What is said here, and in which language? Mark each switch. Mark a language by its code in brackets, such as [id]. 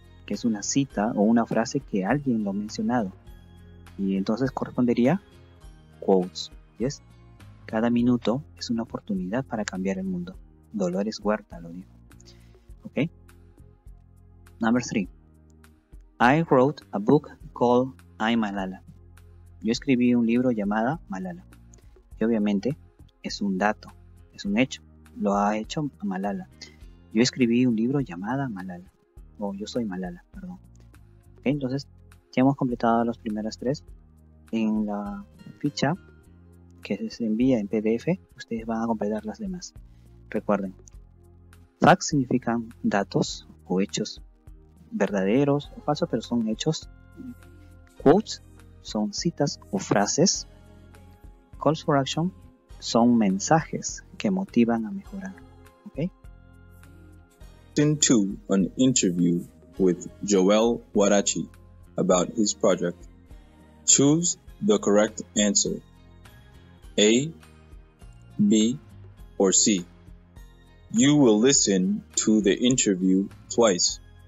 [es] Que es una cita o una frase que alguien lo ha mencionado. Y entonces correspondería quotes. ¿Yes? Cada minuto es una oportunidad para cambiar el mundo. Dolores Huerta lo dijo. ¿Ok? [en] Number three. I wrote a book called I'm Malala. [es] Yo escribí un libro llamado Malala. Y obviamente es un dato. Es un hecho. Lo ha hecho Malala. Yo escribí un libro llamado Malala. Yo soy Malala, perdón. Okay, entonces, ya hemos completado las primeras tres. En la ficha que se envía en PDF, ustedes van a completar las demás. Recuerden, facts significan datos o hechos verdaderos o falsos, pero son hechos. Quotes son citas o frases. Calls for action son mensajes que motivan a mejorar. [en] Listen to an interview with Joel Warachi about his project. Choose the correct answer. A, B, or C. You will listen to the interview twice.